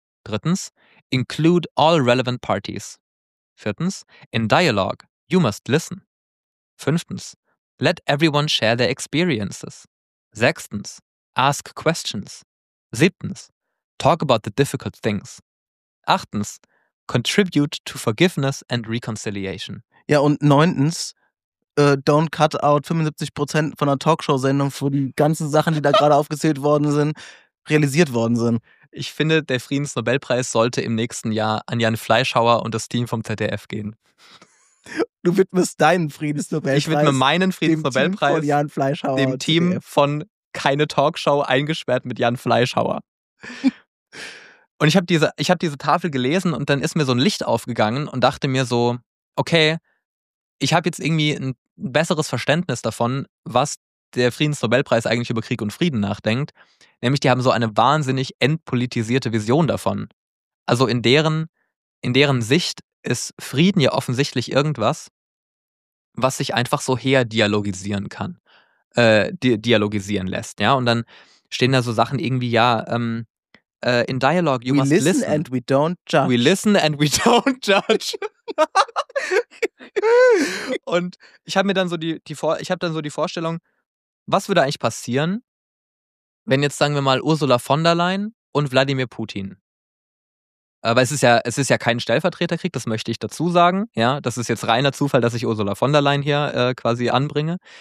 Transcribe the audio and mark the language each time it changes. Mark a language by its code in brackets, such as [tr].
[de] Drittens, [en] include all relevant parties. [de] Viertens, [en] in dialogue, you must listen. [de] Fünftens, [en] let everyone share their experiences. [de] Sechstens, [en] ask questions. [de] Siebtens, [en] talk about the difficult things. [de] Achtens, [en] contribute to forgiveness and reconciliation. [de] Ja, und neuntens, [en] don't cut out [de] 75% von einer Talkshow-Sendung für die ganzen Sachen, die da gerade aufgezählt worden sind, realisiert worden sind. Ich finde, der Friedensnobelpreis sollte im nächsten Jahr an Jan Fleischhauer und das Team vom ZDF gehen. Du widmest deinen Friedensnobelpreis. Ich widme meinen Friedensnobelpreis dem Team von Jan Fleischhauer, dem Team von Keine Talkshow, eingesperrt mit Jan Fleischhauer. Und ich hab diese Tafel gelesen und dann ist mir so ein Licht aufgegangen und dachte mir so, okay, ich habe jetzt irgendwie ein besseres Verständnis davon, was der Friedensnobelpreis eigentlich über Krieg und Frieden nachdenkt. Nämlich, die haben so eine wahnsinnig entpolitisierte Vision davon. Also in deren Sicht ist Frieden ja offensichtlich irgendwas, was sich einfach so herdialogisieren kann, dialogisieren lässt. Ja? Und dann stehen da so Sachen irgendwie, ja, [en] in dialogue, you we must listen. We listen and we don't judge. We listen and we don't judge. [de] Und ich habe mir dann so die Vorstellung, was würde eigentlich passieren, wenn jetzt, sagen wir mal, Ursula von der Leyen und Wladimir Putin. Aber es ist ja kein Stellvertreterkrieg, das möchte ich dazu sagen. Ja, das ist jetzt reiner Zufall, dass ich Ursula von der Leyen hier quasi anbringe.